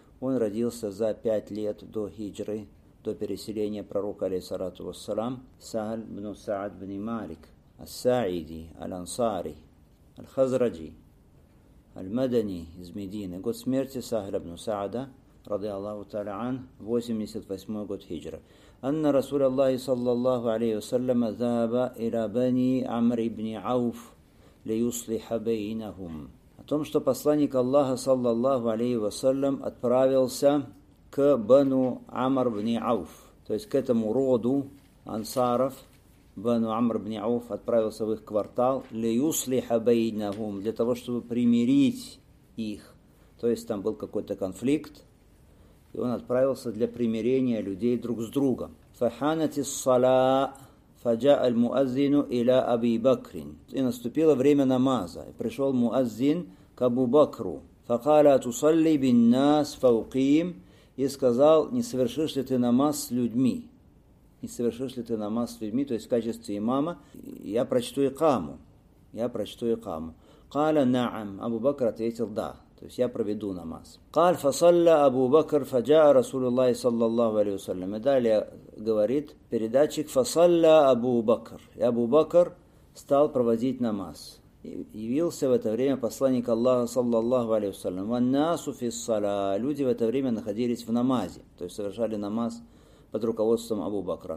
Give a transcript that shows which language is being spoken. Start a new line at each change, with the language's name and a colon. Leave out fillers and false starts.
Russian: Он родился за 5 лет до хиджры, до переселения пророка, алейхиссалату вассалам, Сахль ибн Саад ибн Малик ас-Саиди, аль-Ансари, аль-Хазраджи, аль-Мадани из Медины. Год смерти Сахля ибн Саада,
Arabic: رضي الله تعالى عنه
Russian: 88 год هجرة.
Arabic: أن رسول الله صلى الله عليه وسلم ذهب إلى بني عمرو بن عوف ليصلح بينهم.
Russian: О том, что посланник Аллаха
Arabic: صلى الله عليه وسلم
Russian: отправился к бану Амр ибн Ауф, то есть к этому роду ансаров. Бану Амр ибн Ауф отправился в их квартал,
Arabic: ليصلح بينهم,
Russian: для того, чтобы примирить их. То есть там был какой-то конфликт, и он отправился для примирения людей друг с другом.
Arabic: فَحَانَتِ الصَّلَاءِ فَجَاءَ الْمُؤَذِّنُ إِلَىٰ أَبِي بَكْرٍ.
Russian: И наступило время намаза. И пришел муаззин к Абу Бакру.
Arabic: فَقَالَ تُصَلِّ بِالنَّاسِ فَوْقِيمٍ.
Russian: И сказал, не совершишь ли ты намаз с людьми? Не совершишь ли ты намаз с людьми? То есть в качестве имама я прочту икаму. Я прочту икаму.
Arabic: قَالَ نَعَمْ.
Russian: Абу Бакр ответил, да. То есть я проведу намаз.
Arabic: قال فصلى أبو بكر فجاء رسول الله صلى الله عليه وسلم.
Russian: И далее говорит передатчик,
Arabic: فصلى أبو بكر.
Russian: И Абу Бакр стал проводить намаз. И явился в это время посланник Аллаха
Arabic: صلى الله عليه وسلم. والناس في الصلاة.
Russian: Люди в это время находились в намазе. То есть совершали намаз под руководством Абу Бакра.